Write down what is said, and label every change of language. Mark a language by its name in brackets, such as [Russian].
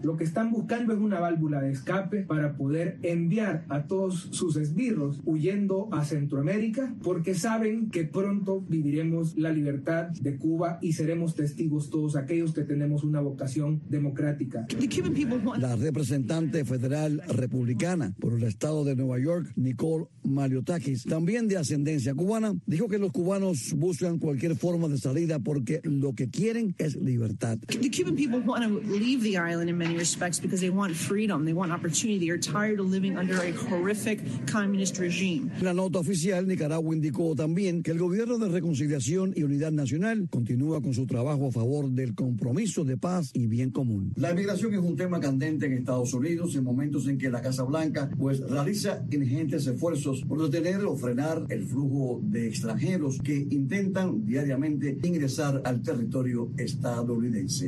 [Spanish] Lo que están buscando es una válvula de escape para poder enviar a todos sus esbirros huyendo a Centroamérica, porque saben que pronto viviremos la libertad de Cuba y seremos testigos todos aquellos que tenemos una vocación democrática. La representante federal republicana por el estado de Nueva York, Nicole Maliotakis, también de ascendencia cubana, dijo que los cubanos buscan cualquier forma de salida porque lo que quieren es libertad. [English] The Cuban people want to leave the island in many respects because they want freedom, they want opportunity. They're tired of living under a horrific communist regime. [Spanish] En la nota oficial, Nicaragua indicó también que el gobierno de Reconciliación y Unidad Nacional continúa con su trabajo a favor del compromiso de paz y bien común. La emigración es un tema candente en Estados Unidos en momentos en que la Casa Blanca pues realiza ingentes esfuerzos por detener o frenar el flujo de extranjeros que intentan diariamente ingresar al territorio estadounidense.